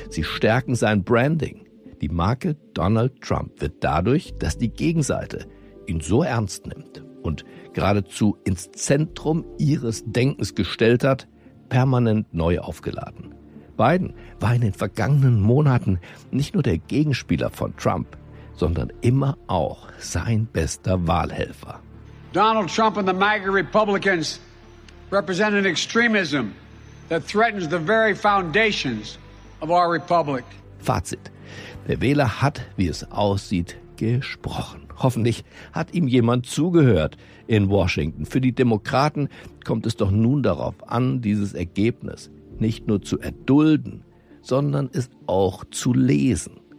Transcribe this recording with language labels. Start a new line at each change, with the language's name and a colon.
German: Sie stärken sein Branding. Die Marke Donald Trump wird dadurch, dass die Gegenseite ihn so ernst nimmt und geradezu ins Zentrum ihres Denkens gestellt hat, permanent neu aufgeladen. Biden war in den vergangenen Monaten nicht nur der Gegenspieler von Trump, sondern immer auch sein bester Wahlhelfer.
English: Donald Trump and the MAGA Republicans represent an extremism that threatens the very foundations of our republic.
German: Fazit: Der Wähler hat, wie es aussieht, gesprochen. Hoffentlich hat ihm jemand zugehört in Washington. Für die Demokraten kommt es doch nun darauf an, dieses Ergebnis nicht nur zu erdulden, sondern es auch zu lesen.